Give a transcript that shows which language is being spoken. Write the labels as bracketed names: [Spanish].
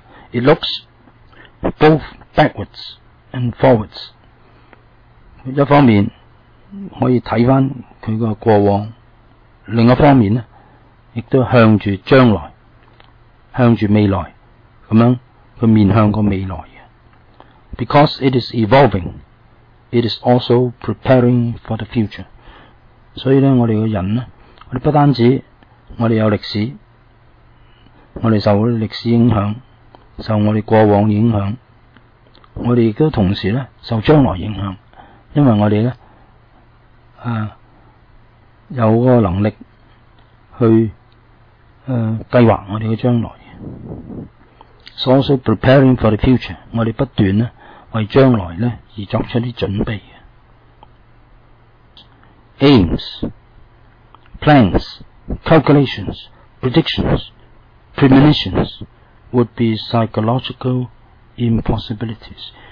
[English] It looks both backwards and forwards。 [Cantonese] 一方面可以睇翻佢个过往，另一方面咧，亦都向住将来，向住未来，咁样佢面向个未来。 [English] Because it is evolving, it is also preparing for the future. [Cantonese] 所以咧，我哋嘅人咧，我哋不单止我哋有历史，我哋受历史影响，受我哋过往影响，我哋亦都同时咧受将来影响，因为我哋咧啊有个能力去计划我哋嘅将来。 [English] So also preparing for the future， [Cantonese] 我哋不断咧。为将来呢而作出啲准备。 [English] Aims, plans, calculations, predictions, premonitions would be psychological impossibilities.